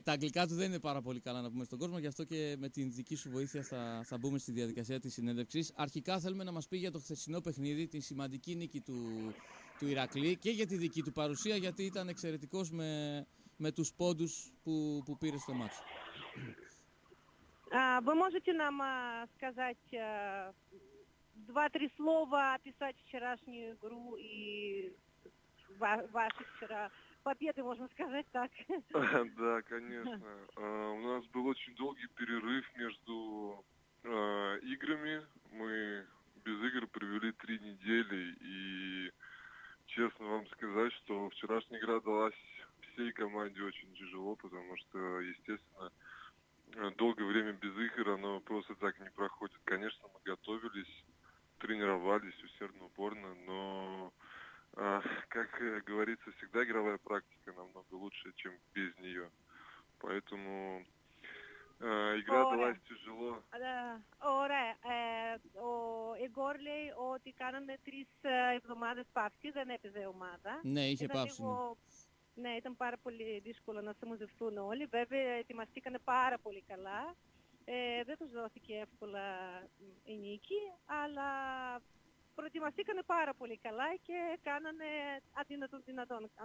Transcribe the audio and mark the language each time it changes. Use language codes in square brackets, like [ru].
[el] Τα αγγλικά του δεν είναι πάρα πολύ καλά να πούμε στον κόσμο, γι' αυτό και με την δική σου βοήθεια θα μπούμε στη διαδικασία της συνέντευξης. Αρχικά θέλουμε να μας πει για το χθεσινό παιχνίδι, τη σημαντική νίκη του Ηρακλή και για τη δική του παρουσία, γιατί ήταν εξαιρετικός με τους πόντους που πήρε στο μάτσο. [ru] Вы можете нам сказать 2-3 слова описать вчерашнюю игру и ваши вчера победы, можно сказать так? Да, конечно. У нас был очень долгий перерыв между играми. Мы без игр провели 3 недели и честно вам сказать, что вчерашняя игра далась всей команде очень тяжело, потому что, естественно, долгое время без игр, оно просто так не проходит. Конечно, мы готовились, тренировались усердно, упорно, но, как говорится, всегда игровая практика намного лучше, чем без нее. Поэтому игра далась тяжело. [el] Ωραία, Igor λέει ότι κάναμε 3 εβδομάδες παύση, δεν έπαιζε ομάδα. Ναι, είχε παύση. Ναι, ήταν πάρα πολύ δύσκολο να συμμαζευτούν όλοι. Βέβαια, ετοιμαστήκανε πάρα πολύ καλά. Δεν τους δόθηκε εύκολα η νίκη, αλλά προετοιμαστήκανε πάρα πολύ καλά και κάνανε αδύνατον δυνατόν.